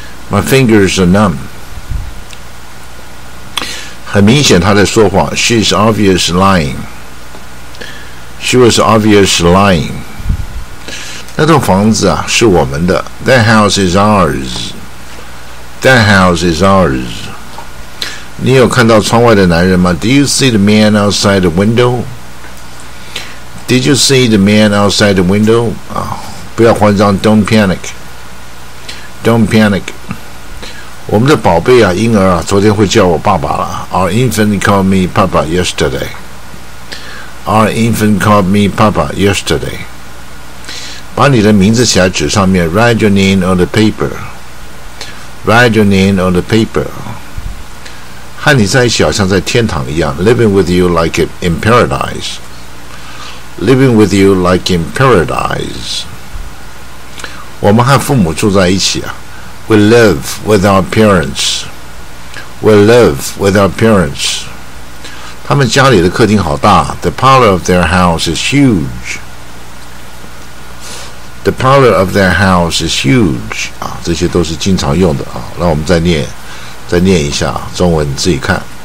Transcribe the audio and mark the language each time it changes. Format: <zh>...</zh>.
<en>My fingers are numb.</en> <zh>很明显他在说谎</zh> <en>She's obvious lying. She was obvious lying.</en> <zh>那栋房子啊是我们的</zh> <en>That house is ours. That house is ours.</en> <zh>你有看到窗外的男人吗</zh> <en>Do you see the man outside the window? Did you see the man outside the window?、</en> <zh>不要慌张</zh> <en>Don't panic. Don't panic.</en> <zh>我们的宝贝啊，婴儿啊，昨天会叫我爸爸了。</zh> <en>Our infant called me Papa yesterday. Our infant called me Papa yesterday.</en> <zh>把你的名字写在纸上面</zh> <en>，Write your name on the paper. Write your name on the paper.</en> <zh>和你在一起好像在天堂一样 ，</zh> <en>Living with you like in paradise. Living with you like in paradise.</en> <zh>我们和父母住在一起啊。</zh> <en>We live with our parents. We live with our parents.</en> <zh>他们家里的客厅好大。</zh> <en>The parlor of their house is huge. The parlor of their house is huge.</en> <zh>啊，这些都是经常用的啊。那我们再念一下中文，你自己看。</zh>